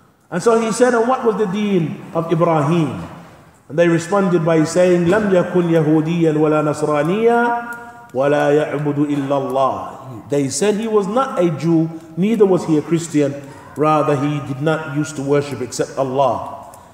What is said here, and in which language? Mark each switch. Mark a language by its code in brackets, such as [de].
[en] And so he said, and what was the deen of Ibrahim? And they responded by saying, [ar] لَمْ يَكُنْ يَهُودِيًا وَلَا نَصْرَانِيًا وَلَا يَعْبُدُ إِلَّا اللَّهِ. [en] They said he was not a Jew, neither was he a Christian. Rather, he did not used to worship except Allah.